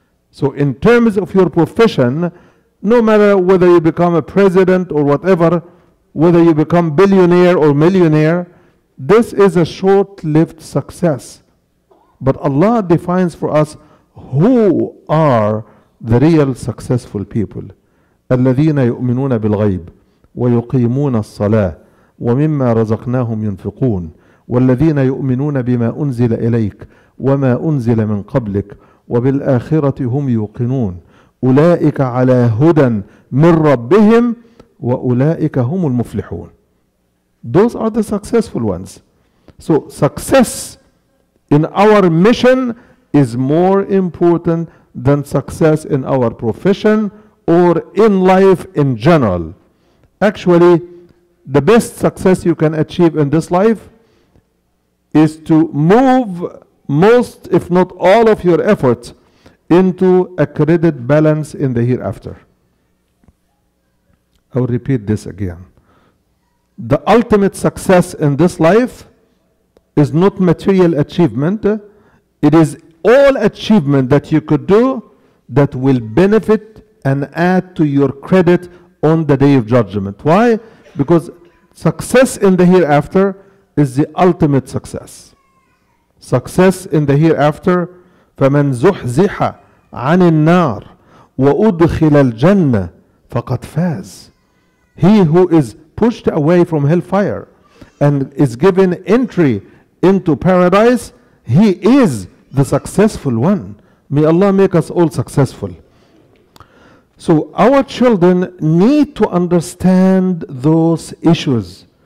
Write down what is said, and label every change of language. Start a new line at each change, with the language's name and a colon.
English: So in terms of your profession, no matter whether you become a president or whatever, whether you become billionaire or millionaire, this is a short-lived success. But Allah defines for us who are the real successful people,
Arabic: الذين يؤمنون بالغيب ويقيمون الصلاة ومما رزقناهم ينفقون والذين يؤمنون بما أنزل إليك وما أنزل من قبلك وبالآخرة هم يوقنون أولئك على هدى من ربهم وأولئك هم المفلحون.
English: Those are the successful ones. So success in our mission is more important than success in our profession or in life in general. Actually, the best success you can achieve in this life is to move most, if not all, of your efforts into a credit balance in the hereafter. I'll repeat this again. The ultimate success in this life is not material achievement. It is all achievement that you could do that will benefit and add to your credit on the Day of Judgment. Why? Because success in the hereafter is the ultimate success. Success in the hereafter,
Arabic: فَمَنْ زُحْزِحَ عَنِ النَّارِ وَأُدْخِلَ الْجَنَّةِ فَقَدْ فَازِ.
English: He who is pushed away from hellfire and is given entry into paradise, he is the successful one. May Allah make us all successful. So our children need to understand those issues.